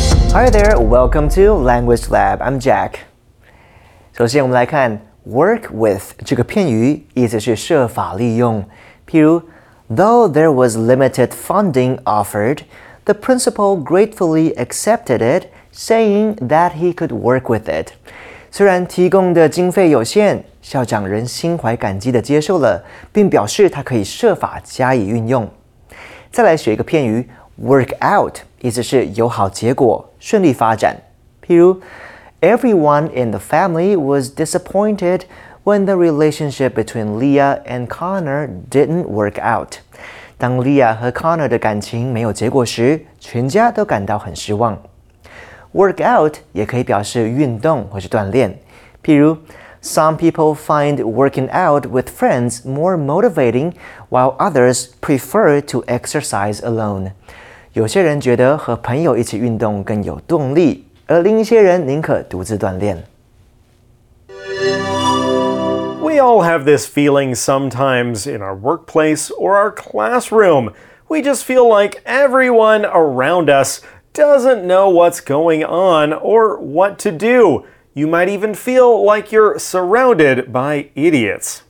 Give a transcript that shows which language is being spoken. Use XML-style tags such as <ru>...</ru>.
<en>Hi there, welcome to Language Lab. I'm Jack.</en> <zh>首先我们来看 work with 这个片语意思是设法利用，譬如</zh> <en>Though there was limited funding offered, the principal gratefully accepted it, saying that he could work with it.</en> <zh>虽然提供的经费有限，校长仍心怀感激地接受了，并表示他可以设法加以运用。再来学一个片语 ,work out, 意思是有好结果，顺利发展。譬如</zh> <en>,everyone in the family was disappointed,when the relationship between Leah and Connor didn't work out.</en> <zh>当 Leah 和 Connor 的感情没有结果时，全家都感到很失望。 Work out 也可以表示运动或是锻炼。譬如</zh> <en>,some people find working out with friends more motivating, while others prefer to exercise alone.</en> <zh>有些人觉得和朋友一起运动更有动力，而另一些人宁可独自锻炼。</zh> <en>We all have this feeling sometimes in our workplace or our classroom. We just feel like everyone around us doesn't know what's going on or what to do. You might even feel like you're surrounded by idiots.</en>